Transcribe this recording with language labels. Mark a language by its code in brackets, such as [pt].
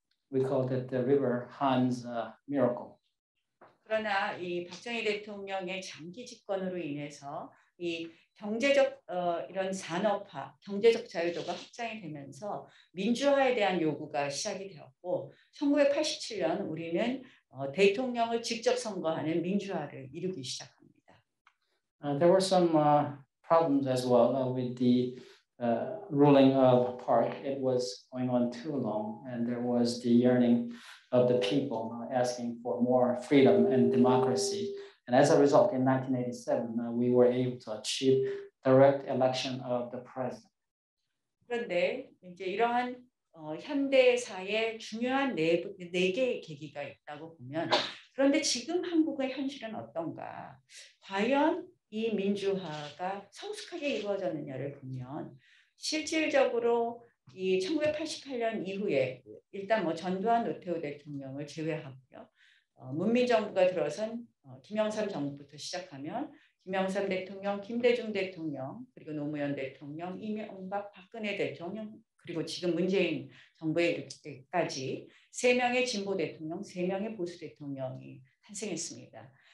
[en] We called it the River Han's Miracle. [ko] 그러나 이 박정희 대통령의 장기 집권으로 인해서 이 경제적 이런 산업화, 경제적 자유도가 확장이 되면서 민주화에 대한 요구가 시작이 되었고 1987년 우리는 대통령을 직접 선거하는 민주화를 이루기 시작합니다. [en] There were some problems as well with the ruling of Park. It was going on too long, and there was the yearning of the people asking for more freedom and democracy. And as a result, in 1987, we were able to achieve direct election of the president. [ko] 그런데 이제 이러한 현대사의 중요한 네 개의 계기가 있다고 보면, 그런데 지금 한국의 현실은 어떤가? 과연 이 민주화가 성숙하게 이루어졌느냐를 보면, 실질적으로 이 1988년 이후에 일단 뭐 전두환 노태우 대통령을 제외하고요, 문민정부가 들어선 김영삼 정부부터 시작하면 김영삼 대통령, 김대중 대통령, 그리고 노무현 대통령, 이명박, 박근혜 대통령, 그리고 지금 문재인 정부에 이르기까지 세 명의 진보 대통령, 세 명의 보수 대통령이 탄생했습니다.